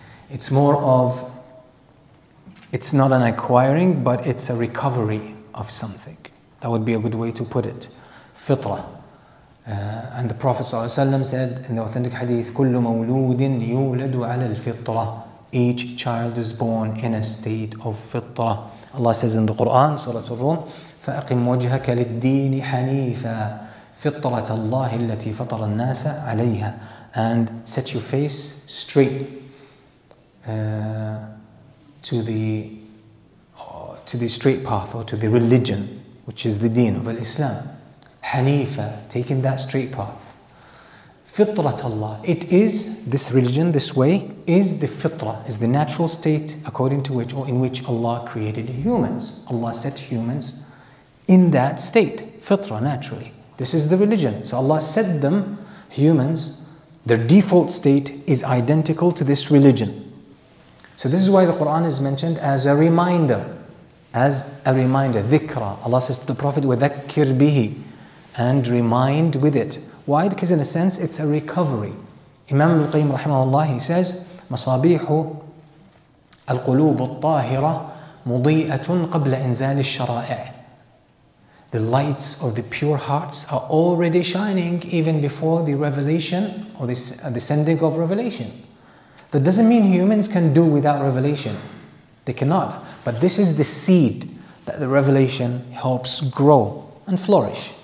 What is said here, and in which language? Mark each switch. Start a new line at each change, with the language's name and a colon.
English: It's more of, it's not an acquiring, but it's a recovery of something. That would be a good way to put it. Fitrah. And the Prophet ﷺ said in the authentic hadith,
Arabic: كُلُّ مَوْلُودٍ يُولَدُ عَلَى الْفِطْرَةِ.
English: Each child is born in a state of fitrah. Allah says in the Quran, Surah Al-Rum,
Arabic: فَأَقِمْ وَجْهَكَ لِلدِّينِ حَنِيفًا فِطْرَةَ اللَّهِ الَّتِي فَطَرَ النَّاسَ عَلَيْهَا.
English: And set your face straight to the straight path, or to the religion, which is the deen of Islam. Hanifa, taking that straight path. Fitrat Allah, it is this religion, this way, is the fitrah, is the natural state according to which, or in which Allah created humans. Allah set humans in that state, fitrah, naturally. This is the religion. So Allah set them, humans, their default state is identical to this religion. So this is why the Quran is mentioned as a reminder. As a reminder, dhikra. Allah says to the Prophet,
Arabic: وَذَكِّرْ بِهِ,
English: and remind with it. Why? Because in a sense, it's a recovery. Imam Al-Qayyim rahimahullah, he says,
Arabic: مَصَابِيحُ الْقُلُوبُ الطَّاهِرَةُ مُضِيئَةٌ قَبْلَ إِنْزَالِ الشَّرَائِعِ.
English: The lights of the pure hearts are already shining even before the revelation, or the sending of revelation. That doesn't mean humans can do without revelation. They cannot. But this is the seed that the revelation helps grow and flourish.